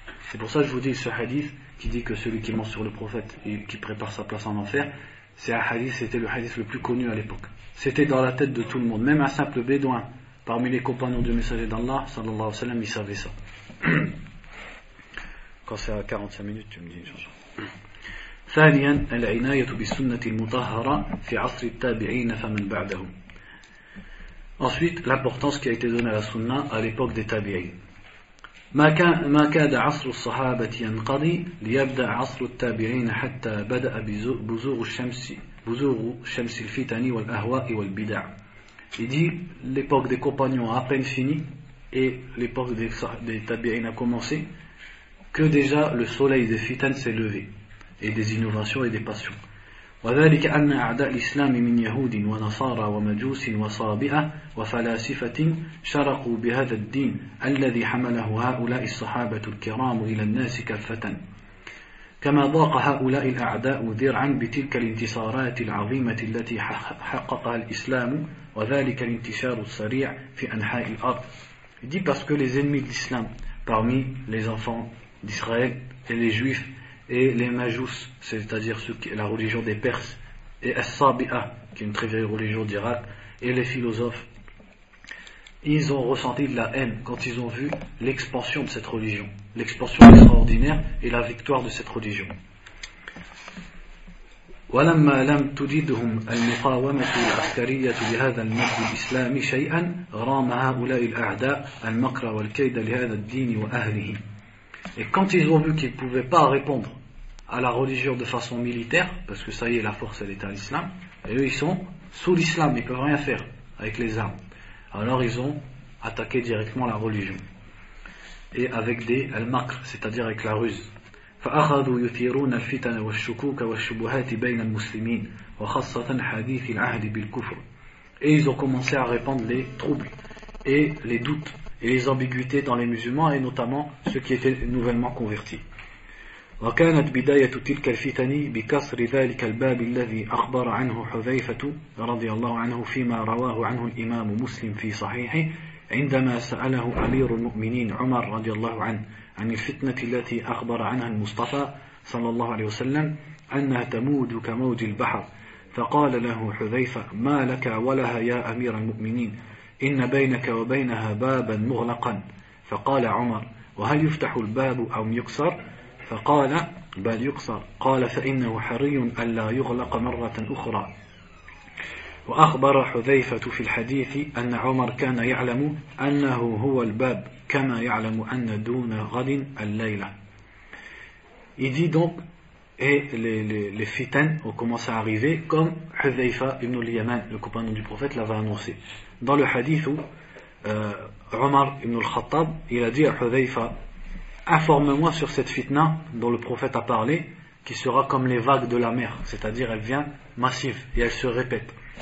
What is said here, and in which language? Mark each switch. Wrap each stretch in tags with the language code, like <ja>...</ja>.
<fr>C'est pour ça que je vous dis ce hadith qui dit que celui qui ment sur le prophète et qui prépare sa place en enfer, c'est un hadith, c'était le hadith le plus connu à l'époque. C'était dans la tête de tout le monde. Même un simple bédouin parmi les compagnons du messager d'Allah,</fr> <ar>sallallahu alayhi wa sallam,</ar> <fr>il savait ça. Quand c'est à 45 minutes, tu me dis.</fr> <ar>ثانيا العناية بالسنة المطهرة في عصر التابعين فمن بعدهم.</ar> <fr>Ensuite, l'importance qui a été donnée à la sunna à l'époque des tabi'in.</fr> <ar>ما كاد عصر الصحابة ينقضي ليبدأ عصر التابعين حتى بدأ بزوغ الشمس الفتن والأهواء والبدع.</ar> <fr>Il dit, l'époque des compagnons a à peine fini et l'époque des tabi'in a commencé, que déjà le soleil des fitan s'est levé et des innovations et des passions.</fr> <ar>وذلك أن أعداء الإسلام من يهود ونصارى ومجوس وصابئة وفلاسفة شرقوا بهذا الدين الذي حمله هؤلاء الصحابة الكرام إلى الناس كافة. كما ضاق هؤلاء الأعداء ذرعا بتلك الانتصارات العظيمة التي حققها الإسلام وذلك الانتشار السريع في أنحاء الأرض.</ar> <fr>Il dit parce que les ennemis de l'islam parmi les enfants d'Israël et les juifs et les Majus, c'est-à-dire la religion des Perses, et As-Sabi'a, qui est une très vieille religion d'Irak, et les philosophes, ils ont ressenti de la haine quand ils ont vu l'expansion de cette religion, l'expansion extraordinaire et la victoire de cette religion.</fr> <ar>ولما لم تجدهم المقاومة العسكرية لهذا المجد الإسلامي شيئا رام هؤلاء الأعداء المكر والكيد لهذا الدين وأهله.</ar> <fr>Et quand ils ont vu qu'ils ne pouvaient pas répondre à la religion de façon militaire, parce que ça y est, la force elle est à l'islam, et eux ils sont sous l'islam, ils ne peuvent rien faire avec les armes. Alors ils ont attaqué directement la religion. Et avec des al-makr, c'est-à-dire avec la ruse.</fr> <ar>فأخذوا يثيرون الفتن والشكوك والشبهات بين المسلمين وخاصة حديث العهد بالكفر.</ar> <fr>Et ils ont commencé à répandre les troubles et les doutes et les ambiguïtés dans les musulmans et notamment ceux qui étaient nouvellement convertis.</fr> <ar>وكانت بداية تلك الفتن بكسر ذلك الباب الذي أخبر عنه حذيفة رضي الله عنه فيما رواه عنه الإمام مسلم في صحيحه عندما سأله أمير المؤمنين عمر رضي الله عنه عن الفتنة التي أخبر عنها المصطفى صلى الله عليه وسلم أنها تمود كموج البحر فقال له حذيفة ما لك ولها يا أمير المؤمنين إن بينك وبينها بابا مغلقا فقال عمر وهل يفتح الباب أو يكسر فقال بل يكسر قال فإنه حري ألا يغلق مرة أخرى وأخبر حذيفة في الحديث أن عمر كان يعلم أنه هو الباب كما يعلم أن دون غد الليلة.</ar> <fr>Il dit donc, et les fitans ont commencé à arriver comme Hudhayfa ibn al-Yaman, le compagnon du prophète, l'avait annoncé. Dans le hadith où Omar ibn al-Khattab, il a dit à Hudhayfa, informe-moi sur cette fitna dont le prophète a parlé, qui sera comme les vagues de la mer, c'est-à-dire elle vient massive et elle se répète.</fr>